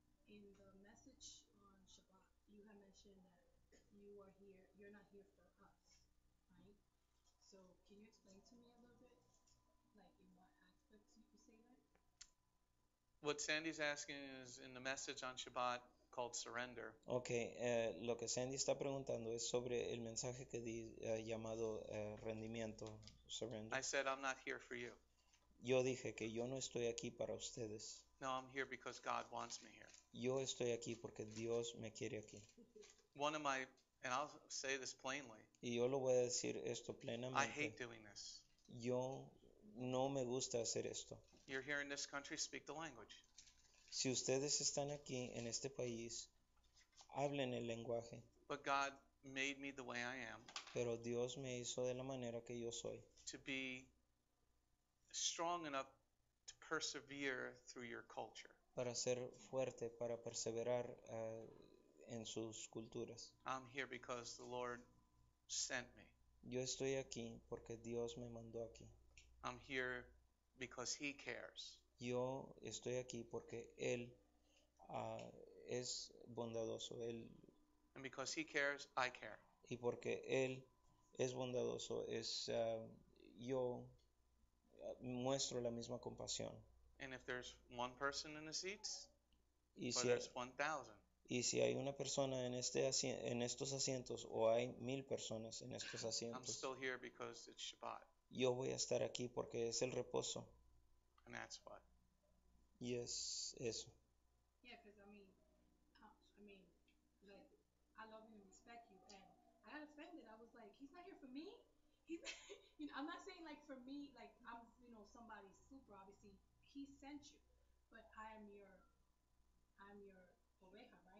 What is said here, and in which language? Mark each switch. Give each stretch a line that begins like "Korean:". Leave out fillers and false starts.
English: In the message on Shabbat, you have mentioned that you are here, you're not here for us, right? So can you explain to me a little bit, like in what aspects you could say that? What Sandy's asking is in the message on Shabbat, called surrender.
Spanish: Okay, lo que Sandy está preguntando es sobre el mensaje que di llamado rendimiento, surrender.
English: I said I'm not here for you.
Spanish: Yo dije que yo no estoy aquí para ustedes.
English: No, I'm here because God wants me here.
Spanish: Yo estoy aquí porque Dios me quiere aquí.
English: One of my, and I'll say this plainly.
Spanish: Y yo lo voy a decir esto plenamente.
English: I hate doing this.
Spanish: Yo no me gusta hacer esto.
English: You're here in this country, speak the language.
Spanish: Si ustedes están aquí en este país, hablen el lenguaje.
English: But God made me the way I am.
Spanish: Pero Dios me hizo de la manera que yo soy.
English: To be strong enough to persevere through your culture.
Spanish: Para ser fuerte, para perseverar en sus culturas.
English: I'm here because the Lord sent me.
Spanish: Yo estoy aquí porque Dios me mandó aquí.
English: I'm here because He cares.
Spanish: Yo estoy aquí porque Él es bondadoso. Él,
English: and because He cares, I care.
Spanish: Y porque Él es bondadoso, es yo muestro la misma compasión.
English: And if there's one person in the seats, or si there's 1,000.
Spanish: Y si hay una persona en este en estos asientos, o hay 1,000 personas en estos asientos,
English: I'm still here because it's Shabbat.
Spanish: Yo voy a estar aquí porque es el reposo.
English: And that's what.
Spanish: Yes, eso.
English: Yeah, because I mean, like, I love you and respect you, and I got offended. I was like, he's not here for me. He's, you know, I'm not saying like for me, like I'm, you know, somebody super. Obviously, he sent you, but I'm your oveja, right?